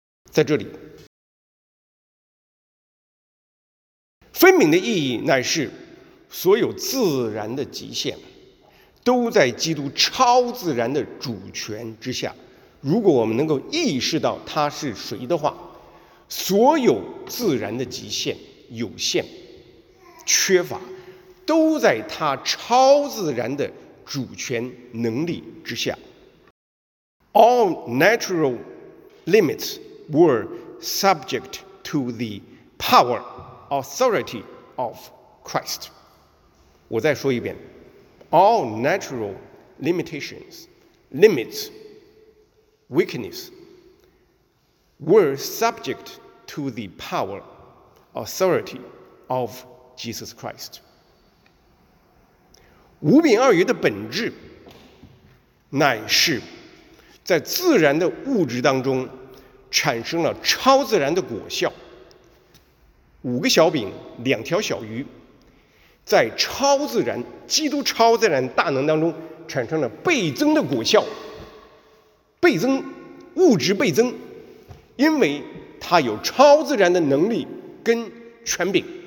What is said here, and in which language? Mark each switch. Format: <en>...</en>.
<zh>在这里，分饼的意义乃是所有自然的极限都在基督超自然的主权之下。如果我们能够意识到他是谁的话，所有自然的极限、有限、缺乏都在他超自然的主权能力之下。</zh> <en>All natural limits were subject to the power authority of Christ.</en> <zh>我再说一遍，</zh> <en>All natural limitations, limits, weakness were subject to the power authority of Jesus Christ.</en> <zh>五饼二鱼的本质乃是在自然的物质当中产生了超自然的果效，五个小饼两条小鱼在超自然基督超自然大能当中产生了倍增的果效，倍增物质倍增，因为它有超自然的能力跟权柄。</zh>